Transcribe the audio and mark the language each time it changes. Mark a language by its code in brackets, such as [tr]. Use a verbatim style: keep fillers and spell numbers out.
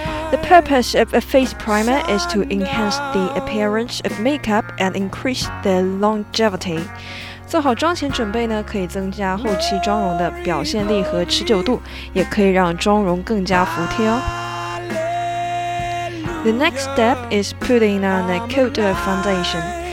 [en] The purpose of a face primer is to enhance the appearance of makeup and increase their longevity。 [zh] 做好妆前准备呢，可以增加后期妆容的表现力和持久度，也可以让妆容更加服帖哦。 [en] The next step is putting on a coat of foundation。